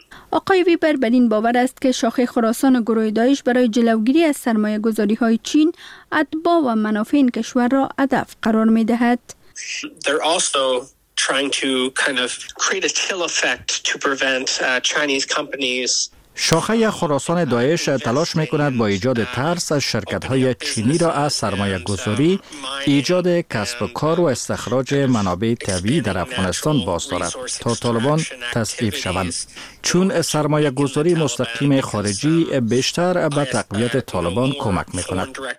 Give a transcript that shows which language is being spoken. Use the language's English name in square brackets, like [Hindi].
[Persian] آقای ویبر بر این باور است که شاخه خراسان و گروه داعش برای جلوگیری از سرمایه گذاری های چین اتباع و منافع این کشور را هدف قرار می دهد. [English] They're also trying to kind of create a chill effect to prevent Chinese companies. [Persian] شاخه خراسان داعش تلاش میکند با ایجاد ترس از شرکت های چینی را از سرمایه گذاری، ایجاد کسب و کار و استخراج منابع طبیعی در افغانستان باز دارد تا طالبان تضعیف شوند. چون سرمایه گذاری مستقیم خارجی بیشتر به تقویت طالبان کمک میکند.